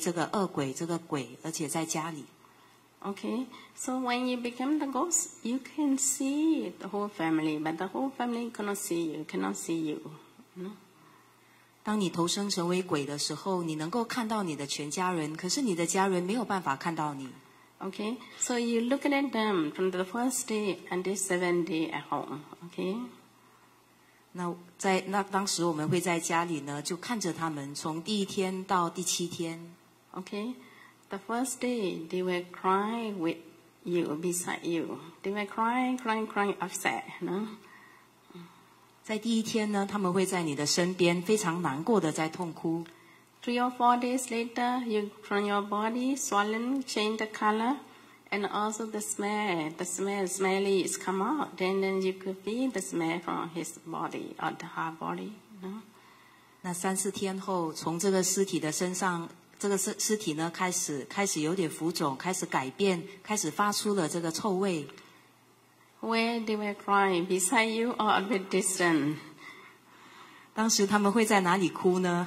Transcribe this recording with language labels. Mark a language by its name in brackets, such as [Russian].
[Chinese] 所以在我们死前呢，当我们生病的时候，家人就会告诉我们说，我们不想要你走，我们想要你和我们在一起。那你相信他们想说他们爱我，他们想要我和他们在一起，所以我什么地方都不要去，我只想要和我的家人在一起。那很多人都有这个问题，所以因为这个执着呢，在死后呢，他们就投胎成为这个恶鬼，这个鬼，而且在家里。 [English] Okay, so when you become the ghost, you can see the whole family, but the whole family cannot see you. No? [Chinese] 当你投生成为鬼的时候，你能够看到你的全家人，可是你的家人没有办法看到你。Okay, [English] so you look at them from the first day until 7 days at home. Okay. [Chinese] 那当时我们会在家里呢，就看着他们从第一天到第七天。 [English] Okay. The first day, they will cry with you, beside you. They may cry, cry, cry, upset, no? [Chinese] 在第一天呢, 他们会在你的身边, 非常难过的在痛哭。 [English] Three or four days later, you from your body, swollen, change the color, and also the smell is come out. Then you could feel the smell from his body or the heart body. No? [Chinese] 那三四天后, 从这个尸体的身上, 这个尸体呢, 开始有点浮肿, 开始改变, 开始发出了这个臭味。 [English] Where they were crying, beside you or a bit distant? [Chinese] 当时他们会在哪里哭呢?